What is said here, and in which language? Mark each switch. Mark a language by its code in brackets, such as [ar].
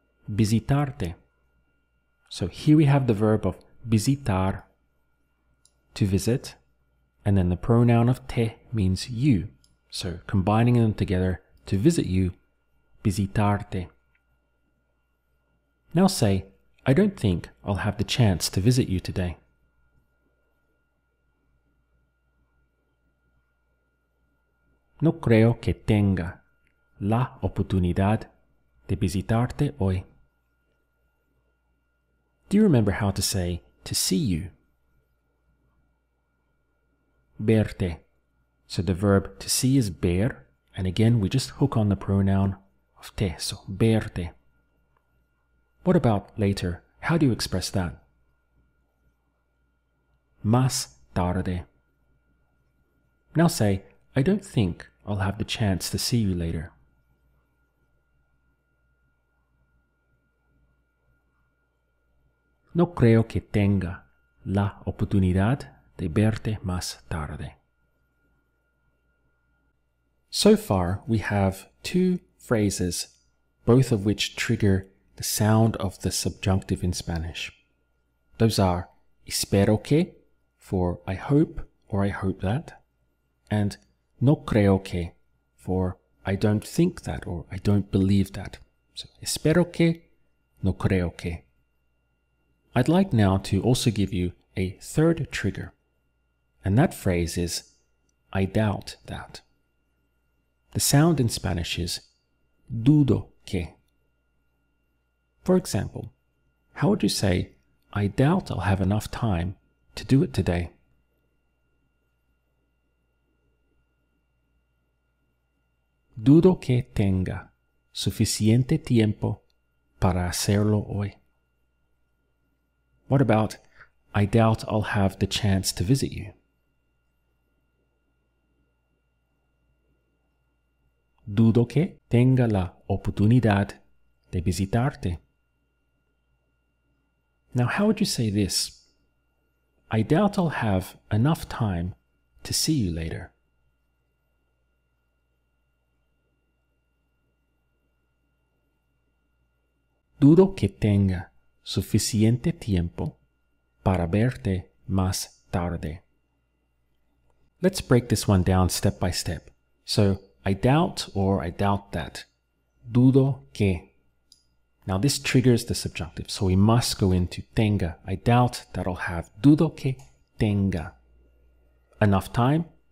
[en] Visitarte. So here we have the verb of visitar, to visit, and then the pronoun of te means you. So combining them together, to visit you, visitarte. Now say, I don't think I'll have the chance to visit you today. [es] No creo que tenga la oportunidad de visitarte hoy. [en] Do you remember how to say to see you? Verte. So the verb to see is ver, and again we just hook on the pronoun of te, so verte. What about later? How do you express that? [es] Más tarde. [en] Now say, I don't think I'll have the chance to see you later. [es] No creo que tenga la oportunidad de verte más tarde. [en] So far, we have two phrases, both of which trigger the sound of the subjunctive in Spanish. Those are [es] espero que, [en] for I hope or I hope that, and [es] no creo que, [en] for I don't think that or I don't believe that. So [es] espero que, no creo que. [en] I'd like now to also give you a third trigger, and that phrase is, I doubt that. The sound in Spanish is, [es] dudo que. [en] For example, how would you say, I doubt I'll have enough time to do it today? [es] Dudo que tenga suficiente tiempo para hacerlo hoy. [en] What about, I doubt I'll have the chance to visit you? [es] Dudo que tenga la oportunidad de visitarte. [en] Now, how would you say this? I doubt I'll have enough time to see you later. [es] Dudo que tenga suficiente tiempo para verte más tarde. [en] Let's break this one down step by step. So, I doubt or I doubt that. [es] Dudo que. [en] Now, this triggers the subjunctive, so we must go into tenga. I doubt that I'll have. [es] Dudo que tenga. [en] Enough time.